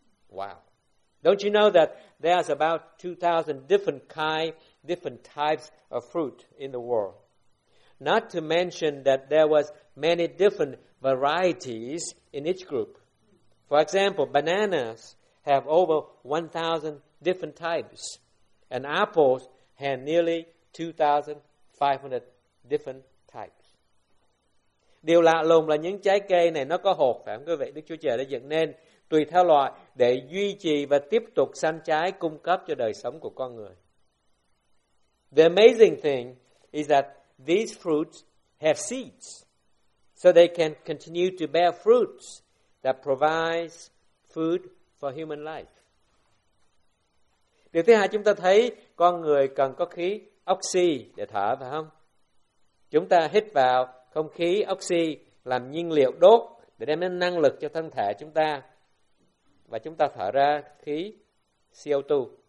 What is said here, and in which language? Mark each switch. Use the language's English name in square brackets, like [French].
[English] Wow. Don't you know that there are about 2,000 different types of fruit in the world? Not to mention that there was many different varieties in each group. For example, bananas have over 1,000 different types, and apples have nearly 2,500 different types. [Vietnamese] Điều lạ lùng là những trái cây này nó có hột, phải không quý vị? Đức Chúa Trời đã dựng nên tùy theo loại để duy trì và tiếp tục sanh trái cung cấp cho đời sống của con người. [English] The amazing thing is that these fruits have seeds, so they can continue to bear fruits that provides food for human life. [Vietnamese] Điều thứ hai chúng ta thấy, con người cần có khí oxy để thở, phải không? Chúng ta hít vào không khí oxy làm nhiên liệu đốt để đem đến năng lực cho thân thể chúng ta, và chúng ta thở ra khí CO2.